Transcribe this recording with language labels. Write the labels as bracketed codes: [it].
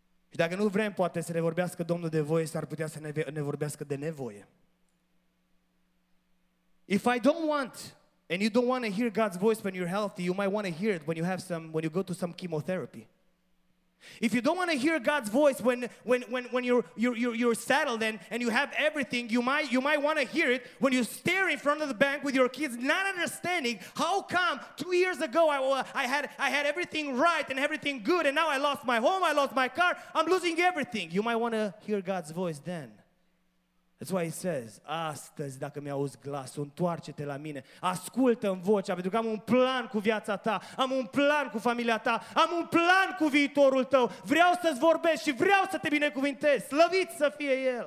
[ro] Și dacă nu vrem, poate să ne vorbească Domnul de voie, s-ar putea să ne vorbească de nevoie. [en] If I don't want, and you don't want to hear God's voice when you're healthy, you might want to hear it when you have some, when you go to some chemotherapy. If you don't want to hear God's voice when you're settled and you have everything, you might want to hear it when you stare in front of the bank with your kids, not understanding how come 2 years ago I had everything right and everything good, and now I lost my home, I lost my car, I'm losing everything. You might want to hear God's voice then. That's why He says, [ro] astăzi, dacă mi-auzi glasul, întoarce-te la mine, ascultă-mi vocea, pentru că am un plan cu viața ta, am un plan cu familia ta, am un plan cu viitorul tău, vreau să-ți vorbesc și vreau să te binecuvintez, slăvit să fie El.